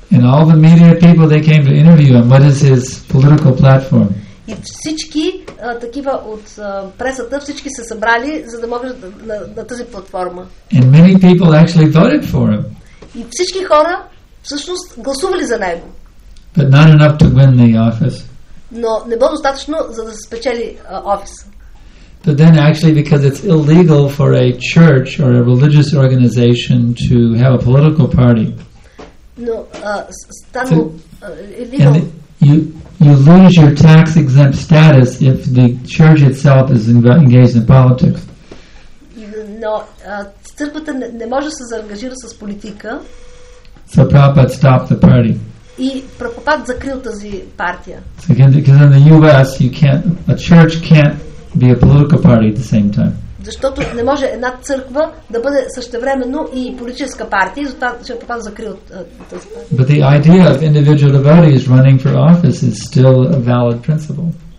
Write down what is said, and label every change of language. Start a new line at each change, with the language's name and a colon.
English: And all the media people they came to interview him. What is his political platform?
Bulgarian: И всички такива от пресата всички се събрали за да могат на тази платформа.
English: And many people actually voted for him.
Bulgarian: И всички хора всъщност гласували за него.
English: But not enough to win the office.
Bulgarian: Но не било достатъчно за да се спечели офиса.
English: But then actually because it's illegal for a church or a religious organization to have a political party.
Bulgarian: Но стало
English: illegal. You lose your tax exempt status if the church itself is engaged in politics.
Bulgarian: Но църквата не може да се заангажира с политика.
English: So Prabhupada stopped the party.
Bulgarian: И Прабхупад закрил тази партия.
English: So again, because in the US you can't a church can't be a political party at the same time.
Bulgarian: Защото не може една църква да бъде същевременно и политическа партия, затова Прабхупад закрил тази партия.
English: But the idea of individual devotees running for office is still a valid principle.